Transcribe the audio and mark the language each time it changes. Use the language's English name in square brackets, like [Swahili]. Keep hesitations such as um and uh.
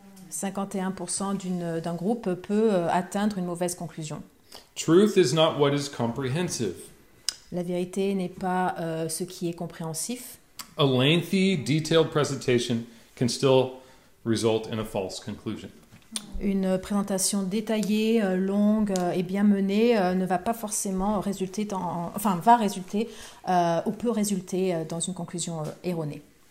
[French] 51 d'un groupe peut atteindre une mauvaise conclusion. [English] Truth is not what is comprehensive. [French] La vérité n'est pas uh, ce qui est compréhensif. [English] A lengthy, detailed presentation [French] peut [English] still result in [French] une fausse conclusion une présentation détaillée, longue et bien menée ne va pas forcément résulter dans, enfin va résulter euh, ou peut résulter dans une conclusion erronée.